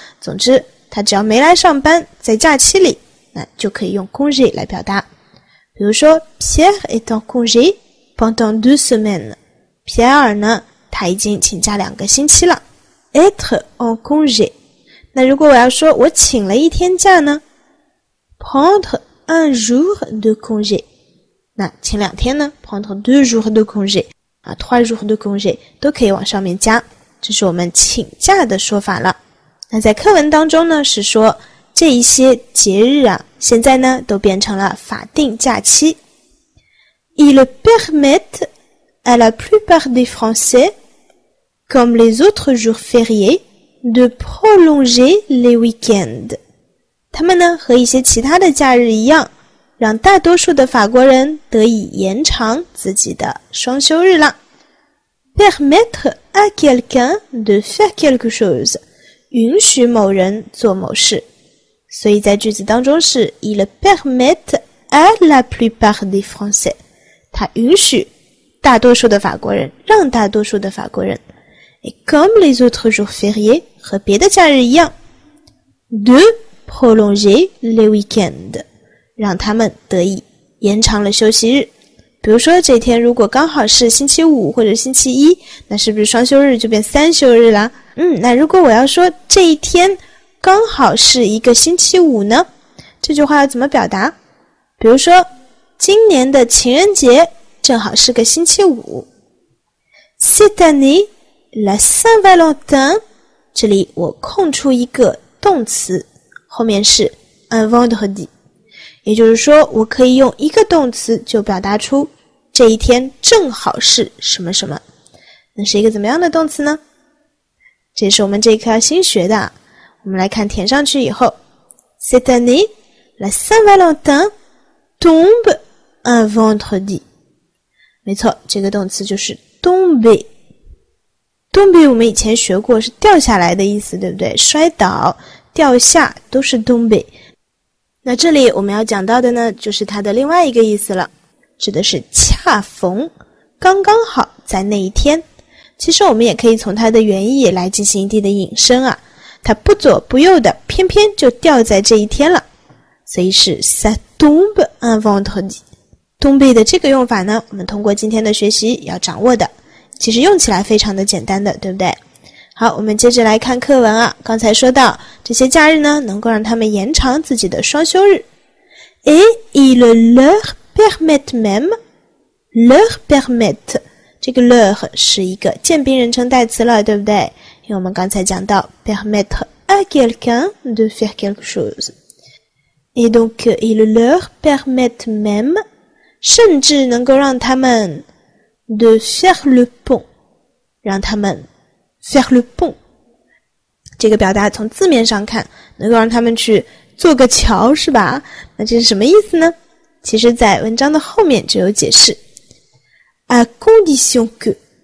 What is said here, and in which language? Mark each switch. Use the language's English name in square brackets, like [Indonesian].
[Chinese] 总之他只要没来上班，在假期里，那就可以用 congé 来表达。比如说 [French] Pierre est en congé pendant deux semaines。 [Chinese] Pierre 呢，他已经请假两个星期了。 [French] être en congé. [Chinese] 那如果我要说我请了一天假呢？ [French] prendre un jour de congé. [Chinese] 那请两天呢？ [French] prendre deux jours de congé. [Chinese] 啊， [French] trois jours de congé [Chinese] 都可以往上面加。这是我们请假的说法了。那在课文当中呢，是说这一些节日啊，现在呢都变成了法定假期。 [French] ils permettent à la plupart des Français,comme les autres jours fériés, de prolonger les week-ends. [Chinese] 他们呢和一些其他的假日一样，让大多数的法国人得以延长自己的双休日了。 [French] Permettre à quelqu'un de faire quelque chose, [Chinese] 允许某人做某事。所以在句子当中是 [French] il permet à la plupart des Français. [Chinese] 他允许大多数的法国人，让大多数的法国人。 [French] Et comme les autres jours fériés, [Chinese] 和别的假日一样 [French] de prolonger les week-ends, [Chinese] 让他们得以延长了休息日。比如说这一天如果刚好是星期五或者星期一，那是不是双休日就变三休日了？那如果我要说这一天刚好是一个星期五呢？这句话要怎么表达？比如说，今年的情人节正好是个星期五。 [French] Cette année, la Saint-Valentin， [Chinese] 这里我空出一个动词，后面是 [French] un vendredi。 [Chinese] 也就是说，我可以用一个动词就表达出这一天正好是什么什么。那是一个怎么样的动词呢？这是我们这一课要新学的。我们来看填上去以后。 [French] Cette année, la Saint-Valentin tombe un vendredi. [Chinese] 没错，这个动词就是 tomber。 [French] tomber [Chinese] 我们以前学过是掉下来的意思，对不对？摔倒、掉下都是 tomber。那这里我们要讲到的呢，就是它的另外一个意思了，指的是恰逢，刚刚好在那一天。其实我们也可以从它的原意来进行一定的引申啊，它不左不右的，偏偏就掉在这一天了，所以是 [French] ça tombe un vendredi。 [Chinese] tombe 的这个用法呢，我们通过今天的学习要掌握的，其实用起来非常的简单的，对不对？好，我们接着来看课文啊。刚才说到这些假日呢，能够让他们延长自己的双休日。 [French] Et ils leur permettent même, leur permet, [Chinese] 这个 leur 是一个渐宾人称代词了，对不对？因为我们刚才讲到 [French] permettre à quelqu'un de faire quelque chose. Et donc, ils leur permettent même, [Chinese] 甚至能够让他们 [French] de faire le pont, [Chinese] 让他们 [French] faire le pont， [Chinese] 这个表达从字面上看能够让他们去做个桥，是吧？那这是什么意思呢？其实在文章的后面就有解释。 [French] à condition que，